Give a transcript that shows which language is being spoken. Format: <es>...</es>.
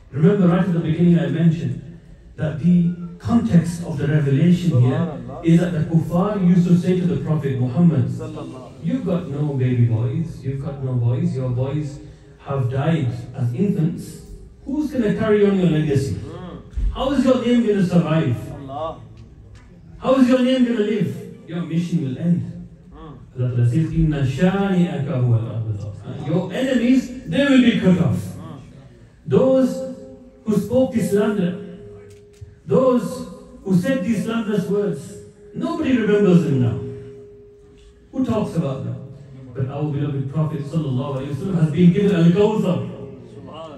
<en>Remember right at the beginning I mentioned that the context of the revelation here is that the kuffar used to say to the Prophet Muhammad, you've got no baby boys, you've got no boys, your boys have died as infants. Who's going to carry on your legacy? How is your name going to survive? How is your name going to live? Your mission will end. Allah says,</en> <ar>إِنَّ شَانِئَكَ هُوَ الْأَبْتَرُ.</ar> <en>Your enemies, they will be cut off. Those who spoke this slander, those who said these slanderous words, nobody remembers them now. Who talks about them? But our beloved Prophet sallallahu alayhi wa sallam has been given al-kawthar.</en>